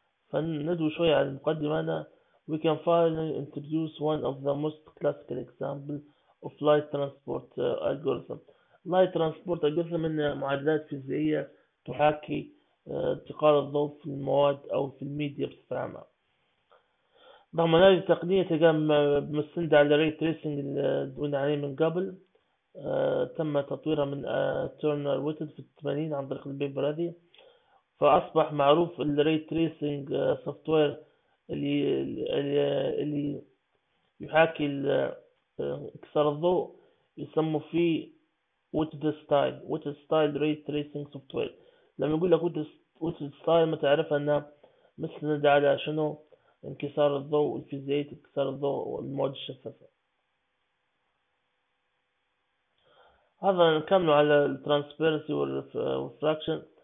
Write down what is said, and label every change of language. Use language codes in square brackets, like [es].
[ar] فندو شوية على المقدمة أنا. [en] We can finally introduce one of the most classical examples of light transport algorithm. [ar] Light transport algorithm من معادلات فيزيائية تحاكي انتقال الضوء في المواد أو في الميديا بصفة عامة. رغم أن هذه التقنية تقام مستندة على ray tracing اللي دون عليه من قبل، تم تطويرها من تورنر ويتد في الثمانين عن طريق البيبر هذه. فأصبح معروف الray tracing software اللي يحاكي انكسار الضوء يسموه فيه ويتد ستايل. [en] Whitted style ray tracing software. [ar] لما يقول لك ويتد ستايل ما تعرف انها مستندة على شنو؟ انكسار الضوء الفيزيائي، انكسار الضوء والمواد الشفافة. هذا نكمل على الترانسبيرنسي والريفراكشن.